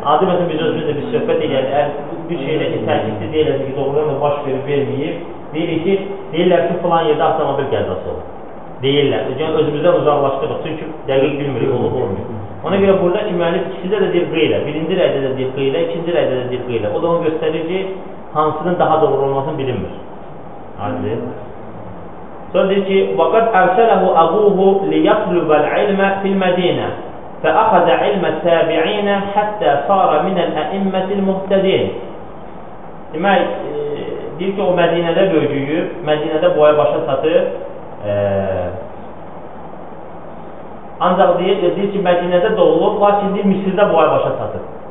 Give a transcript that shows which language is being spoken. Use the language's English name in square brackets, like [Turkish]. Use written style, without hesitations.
[Azerbaijani] Adı məsələn, biz özümüzdə bir söhbət edəyəlir, bir şeylə ki, təhkikli deyirlər ki, doğrudan da baş verib verməyib. Deyirik ki, deyirlər ki, filan yerdə avtomobil qəzası olur. Deyirlər, yəni özümüzdən uzaqlaşdırıq, çünki dəqiq bilmirik, olub olmayıb. Ona görə burada ki, müəllif ikisində də deyir qeylə, birinci rəydə də deyir qeylə, ikinci rəydə də deyir qeylə. O da onu göstərir ki, hansının daha doğru olmasını bilinmir. Sonra deyir ki, [Arabic] وَقَدْ أَرْسَلَهُ أَبُوهُ لِيَطْلُبَ الْعِلْمَ فِي الْمَدِينَةِ فَأَخَذَ عِلْمَ التَّابِعِينَ حَتَّى صَارَ مِنَ الْأَئِمَّةِ الْمُهْتَدِينَ [Azerbaijani] Demək, deyir ki, o Mədinədə böyüyüb, Mədinədə boya başa satıb, ancaq deyir ki, Mədinədə doğulub, lakin deyir, Misirdə boya başa çatır.